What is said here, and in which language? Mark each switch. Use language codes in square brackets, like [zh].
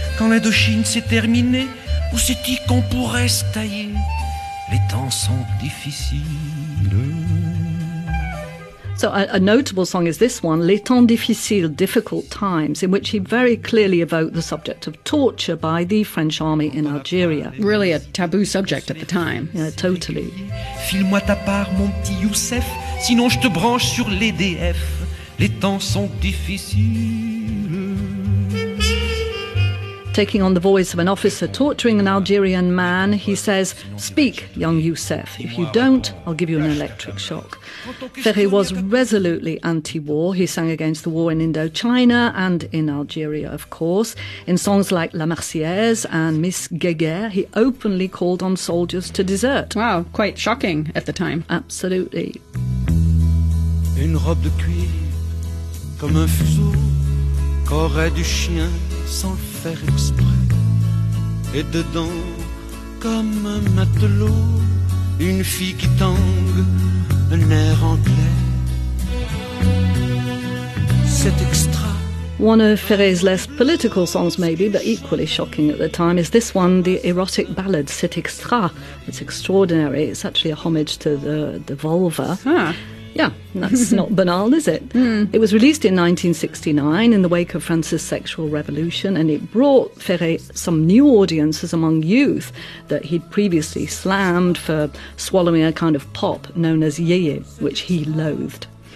[fr] Quand l'Indochine s'est terminée, où c'est-y qu'on pourrait se tailler? Les temps sont difficiles. [en] So a notable song is this one, Les Temps Difficiles, Difficult Times, in which he very clearly evoked the subject of torture by the French army in Algeria. Really a taboo subject at the time. Yeah, totally. [fr] File-moi ta part, mon petit Youssef, sinon je te branche sur l'EDF. Les temps sont difficiles. [en] Taking on the voice of an officer torturing an Algerian man, he says, "Speak, young Youssef. If you don't, I'll give you an electric shock." Ferré was resolutely anti-war. He sang against the war in Indochina and in Algeria, of course. In songs like La Marseillaise and Miss Guéguerre, he openly called on soldiers to desert. Wow, quite shocking at the time. Absolutely. [fr] Une robe de cuir, comme un fuseau, qu'aurait du chien. Sans le faire exprès, et dedans, comme un matelot, une fille qui tangue, un air anglais. C'est extra. [en] One of Ferré's less political songs, maybe, but equally shocking at the time, is this one, the erotic ballad, C'est extra. It's extraordinary. It's actually a homage to the vulva. Yeah, that's not banal, is it? It was released in 1969 in the wake of France's sexual revolution, and it brought Ferré some new audiences among youth that he'd previously slammed for swallowing a kind of pop known as yéyé, which he loathed.